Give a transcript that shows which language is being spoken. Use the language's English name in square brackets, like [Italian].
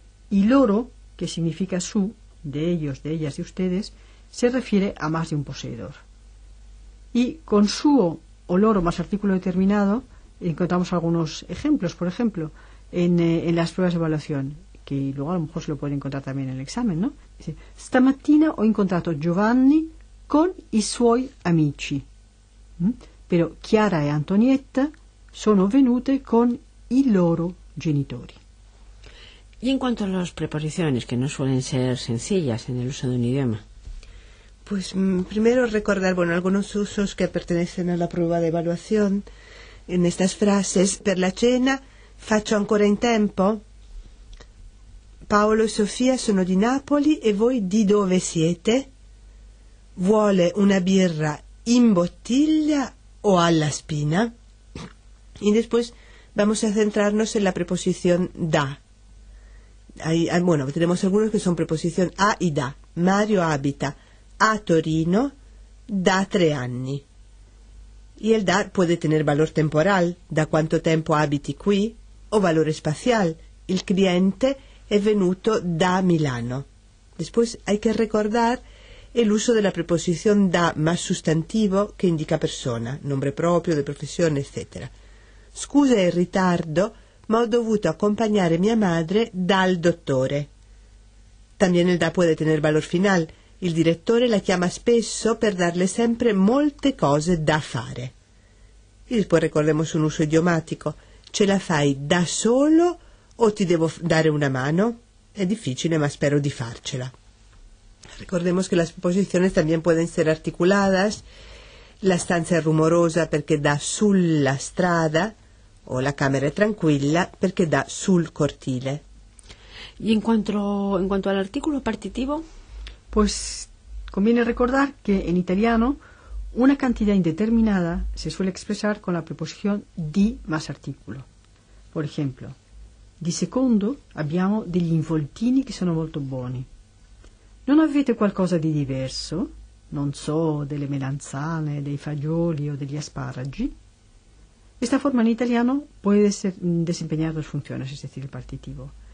[Spanish] Y loro, que significa su, de ellos, de ellas, de ustedes, se refiere a más de un poseedor. Y con suo o loro más artículo determinado encontramos algunos ejemplos, por ejemplo, en las pruebas de evaluación, que luego a lo mejor se lo pueden encontrar también en el examen, ¿no? [Italian] Dice, stamattina ho incontrato Giovanni con i suoi amici. Pero Chiara e Antonietta sono venute con i loro genitori. [Spanish] ¿Y en cuanto a las preposiciones, que no suelen ser sencillas en el uso de un idioma? Pues primero recordar, bueno, algunos usos que pertenecen a la prueba de evaluación en estas frases. [Italian] Per la cena, faccio ancora in tempo. Paolo e Sofia sono di Napoli e voi di dove siete? Vuole una birra in bottiglia o alla spina? [Spanish] Y después vamos a centrarnos en la preposición da. Bueno, tenemos algunos que son preposición a y da. [Italian] Mario abita a Torino da 3 anni. [Spanish] Y el da puede tener valor temporal, [Italian] da quanto tempo abiti qui, [Spanish] o valor espacial, [Italian] il cliente è venuto da Milano. [Spanish] Después hay que recordar el uso de la preposición da más sustantivo, que indica persona, nombre propio, de profesión, etc. [Italian] Scusa il ritardo, ma ho dovuto accompagnare mia madre dal dottore. [Spanish] También el da puede tener valor final. [Italian] Il direttore la chiama spesso per darle sempre molte cose da fare. [Spanish] Y después recordemos un uso idiomatico. [Italian] Ce la fai da solo o ti devo dare una mano? È difficile, ma spero di farcela. [Spanish] Recordemos que las preposiciones también pueden ser articuladas. [Italian] La stanza è rumorosa perché da sulla strada, o la camera è tranquilla perché da sul cortile. [Spanish] Y en cuanto al artículo partitivo, pues conviene recordar que en italiano una cantidad indeterminada se suele expresar con la preposición di más artículo. Por ejemplo, [Italian] di secondo abbiamo degli involtini che sono molto buoni. Non avete qualcosa di diverso? Non so, delle melanzane, dei fagioli o degli asparagi? [Spanish] Esta forma in italiano puede desempeñar dos funciones, es decir, el partitivo.